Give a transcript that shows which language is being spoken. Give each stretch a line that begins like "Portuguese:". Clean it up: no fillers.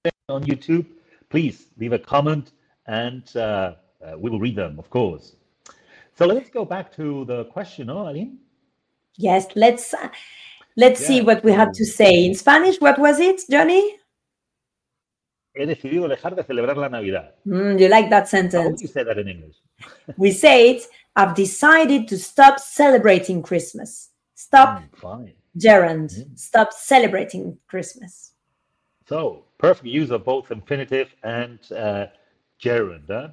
English: On YouTube, please leave a comment and we will read them, of course. So let's go back to the question, Aline? Yes, let's see what we have to say. In Spanish, what was it, Johnny?
Spanish: He decidido dejar de celebrar la Navidad.
English: You like that sentence. How would you say that in English? We say it, I've decided to stop celebrating Christmas. Stop. Fine. gerund, stop celebrating Christmas. So perfect use of both infinitive and gerund. Huh?